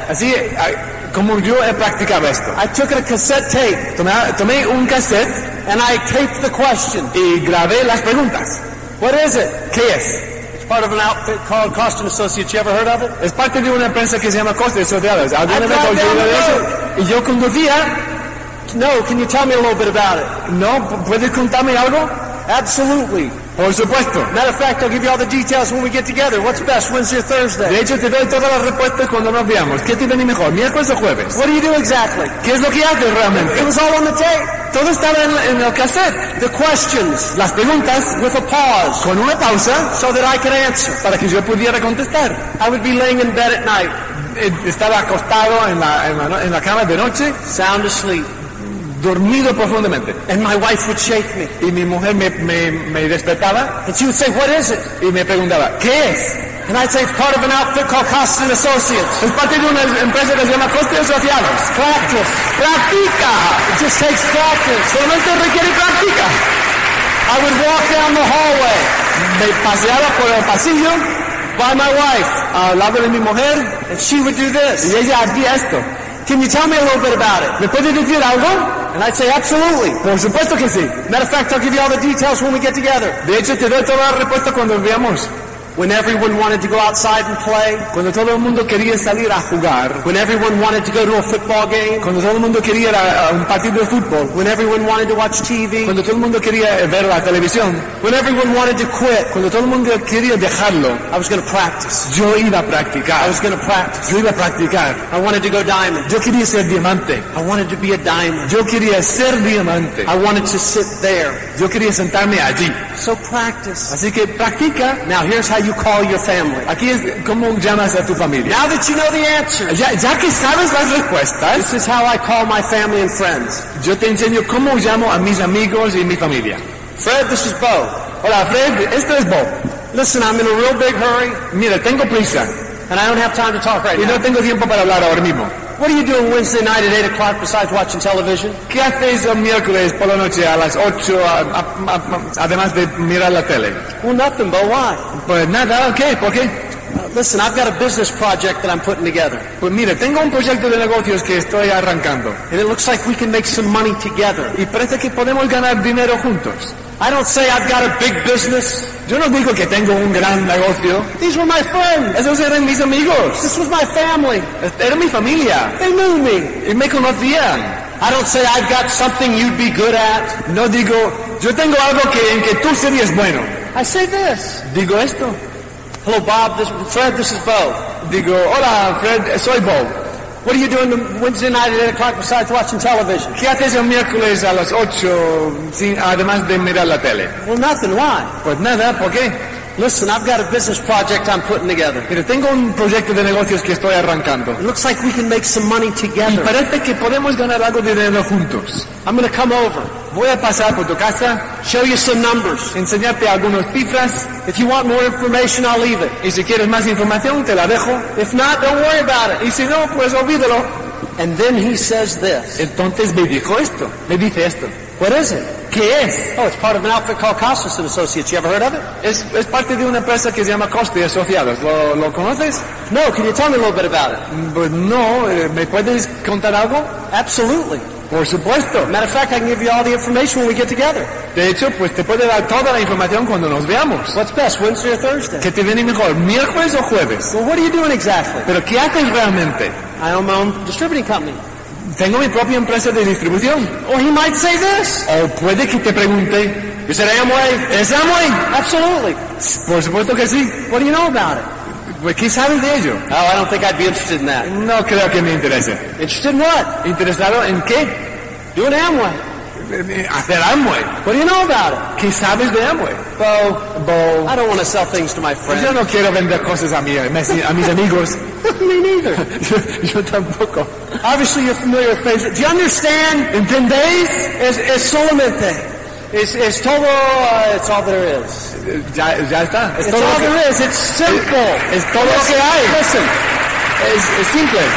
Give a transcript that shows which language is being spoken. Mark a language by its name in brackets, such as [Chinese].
[Spanish] Así es. Como yo he practicado esto. [English] I took a cassette tape. [Spanish] Tomé un cassette. [English] And I taped the question. [Spanish] Y grabé las preguntas. [English] What is it? [Spanish] ¿Qué es? [English] Part of an outfit called Costa & Associates. You ever heard of it? [Spanish] Es parte de una empresa que se llama Costa & Associates. ¿Alguna vez has oído de eso? Y yo conducía. [English] No, can you tell me a little bit about it? [Spanish] No, ¿puedes contarme algo? [English] Absolutely. [Spanish] Por supuesto. [English] Matter of fact, I'll give you all the details when we get together. What's best, Wednesday or Thursday? [Spanish] De hecho, te doy todas las respuestas cuando nos veamos. ¿Qué te viene mejor, miércoles o jueves? [English] What do you do exactly? [Spanish] ¿Qué es lo que haces realmente? [English] It was all on the tape. [Spanish] Todo estaba en el cassette. [English] The questions. [Spanish] Las preguntas. [English] With a pause. [Spanish] Con una pausa. [English] So that I could answer. [Spanish] Para que yo pudiera contestar. [English] I would be laying in bed at night. [Spanish] Estaba acostado en la cama de noche. [English] Sound asleep. [Spanish] Dormido profundamente. [English] And my wife would shake me. [Spanish] Y mi mujer me despertaba. [English] And she would say, what is it? [Spanish] Y me preguntaba, ¿qué es? [English] And I'd say, it's part of an outfit called Costa & Associates. [Spanish] Es parte de una empresa que se llama Costa & Associates. [English] Practice. [Spanish] Practica. [English] It just takes practice. [Spanish] Solamente requiere practica. [English] I would walk down the hallway. [Spanish] Me paseaba por el pasillo. [English] by my wife. [Spanish] Al lado de mi mujer. [English] And she would do this. [Spanish] Y ella haría esto. [English] Can you tell me a little bit about it? [Spanish] ¿Me puede decir algo? [English] And I'd say, absolutely. [Spanish] Por supuesto que sí. [English] Matter of fact, I'll give you all the details when we get together. [Spanish] De hecho, te doy toda la respuesta cuando veamos. [English] When everyone wanted to go outside and play. [Spanish] Cuando todo el mundo quería salir a jugar. [English] When everyone wanted to go to a football game. [Spanish] Cuando todo el mundo quería ir a un partido de fútbol. [English] When everyone wanted to watch TV. [Spanish] Cuando todo el mundo quería ver la televisión. [English] When everyone wanted to quit. [Spanish] Cuando todo el mundo quería dejarlo. [English] I was going to practice. [Spanish] Yo iba a practicar. [English] I was going to practice. [Spanish] Yo iba a practicar. [English] I wanted to go diamond. [Spanish] Yo quería ser diamante. [English] I wanted to be a diamond. [Spanish] Yo quería ser diamante. [English] I wanted to sit there. [Spanish] Yo quería sentarme allí. [English] So practice. [Spanish] Así que practica. [English] Now here's how you call your family. [Spanish] Aquí es como llamas a tu familia. [English] Now that you know the answer. [Spanish] Ya que sabes las respuestas. [English] This is how I call my family and friends. [Spanish] Yo te enseño cómo llamo a mis amigos y mi familia. [English] Fred, this is Bo. [Spanish] Hola, Fred. Esto es Bo. [English] Listen, I'm in a real big hurry. [Spanish] Mira, tengo prisa. [English] And I don't have time to talk right [Spanish] y [English] now. [Spanish] Y no tengo tiempo para hablar ahora mismo. [English] What are you doing Wednesday night at 8 o'clock besides watching television? [Spanish] ¿Qué haces el miércoles por la noche a las 8 además de mirar la tele? [English] Well, nothing, but why? [Spanish] Pues nada, okay, ¿por qué? [English] Listen, I've got a business project that I'm putting together. [Spanish] Pues mira, tengo un proyecto de negocios que estoy arrancando. [English] And it looks like we can make some money together. [Spanish] Y parece que podemos ganar dinero juntos. [English] I don't say I've got a big business. [Spanish] Yo no digo que tengo un gran negocio. [English] These were my friends. [Spanish] Esos eran mis amigos. [English] This was my family. [Spanish] Era mi familia. [English] They knew me. [Spanish] Y me conocían. [English] I don't say I've got something you'd be good at. [Spanish] No digo, yo tengo algo que, en que tú serías bueno. [English] I say this. [Spanish] Digo esto. [English] Hello, Bob. This is Bo. [Spanish] Digo, hola, Fred. Soy Bo. [English] What are you doing Wednesday night at 8 o'clock besides watching television? [Spanish] ¿Qué haces el miércoles a las 8 sin, además de mirar la tele? [English] Well, nothing. Why? [Spanish] Pues nada. ¿Por qué? [English] Listen, I've got a business project I'm putting together. [Spanish] Mira, tengo un proyecto de negocios que estoy arrancando. [English] It looks like we can make some money together. [Spanish] Y parece que podemos ganar algo de dinero juntos. [English] I'm going to come over. [Spanish] Voy a pasar por tu casa. [English] Show you some numbers. [Spanish] Enseñarte algunas cifras. [English] If you want more information, I'll leave it. [Spanish] Y si quieres más información, te la dejo. [English] If not, don't worry about it. [Spanish] Y si no, pues olvídalo. [English] And then he says this. [Spanish] Entonces me dijo esto. Me dice esto. [English] What is it? [Spanish] ¿Qué es? [English] Oh, it's part of an outfit called Costas and Associates. You ever heard of it? [Spanish] Es parte de una empresa que se llama Costas y Asociados. ¿Lo conoces? [English] No, can you tell me a little bit about it? But [Spanish] no, ¿me puedes contar algo? [English] Absolutely. [Spanish] Por supuesto. [English] Matter of fact, I can give you all the information when we get together. [Spanish] De hecho, pues te puedo dar toda la información cuando nos veamos. [English] What's best, Wednesday or Thursday? [Spanish] ¿Qué te viene mejor, miércoles o jueves? [English] Well, what are you doing exactly? [Spanish] ¿Pero qué haces realmente? [English] I own my own distributing company. [Spanish] Tengo mi propia empresa de distribución. [English] Or he might say this. [Spanish] O puede que te pregunte. [English] Is it Amway? [Spanish] ¿Es Amway? [English] Absolutely. [Spanish] Por supuesto que sí. [English] What do you know about it? [Spanish] Pues, ¿qué sabes de ello? [English] Oh, I don't think I'd be interested in that. [Spanish] No creo que me interese. [English] Interested in what? [Spanish] ¿Interesado en qué? [English] Doing Amway. [Spanish] Hacer Amway. [English] What do you know about it? [Spanish] ¿Qué sabes de Amway? Bo. Bo. [English] I don't want to sell things to my friends. [Spanish] Yo no quiero vender cosas a mis amigos. [English] Me neither. [Spanish] Yo tampoco. [English] Obviously, you're familiar with things. Do you understand? [Spanish] ¿Entendéis? Es solamente. Es todo. [English] It's all there is. [Spanish] Ya está. Es todo [English] all there is. It's simple. [Spanish] Es todo lo que hay. [English] Listen. [Spanish] Es simple.